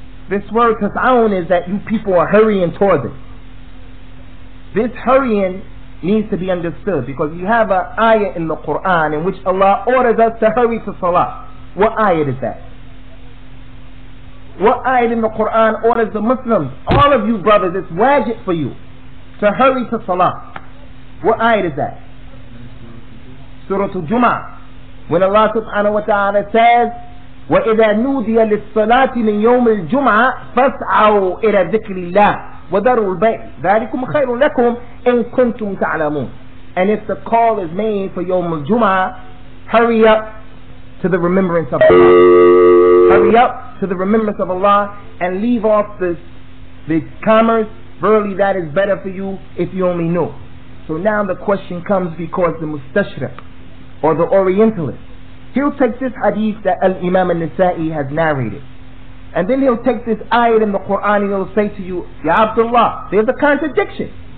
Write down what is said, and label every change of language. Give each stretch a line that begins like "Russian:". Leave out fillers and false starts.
English: This word تَسْعَوْنَ is that you people are hurrying towards it. This hurrying needs to be understood, because you have an ayah in the Quran in which Allah orders us to hurry to salat. What ayah is that? What ayah in the Quran orders the Muslims, all of you brothers, it's wajib for you to hurry to salat? What ayat is that? Surah Al-Jum'ah, when Allah subhanahu wa ta'ala says,
Arabic: وَإِذَا نُودِيَ لِلصَّلَاةِ مِنْ يَوْمِ الْجُمْعَةِ فَاسْعَوْا إِلَى ذِكْرِ اللَّهِ وَذَرُوا الْبَيْءِ ذَلِكُمْ خَيْرٌ لَكُمْ إِن كُنْتُمْ تَعْلَمُونَ.
English: And if the call is made for
Arabic: يَوْمِ الْجُمْعَةِ,
English: hurry up to the remembrance of Allah. Hurry up to the remembrance of Allah and leave off the commerce. Verily that is better for you if you only know. So now the question comes, because the mustashriq or the orientalist, he'll take this hadith that Al-Imam al-Nisa'i has narrated, and then he'll take this ayat in the Quran and he'll say to you, Ya Abdullah, there's a contradiction.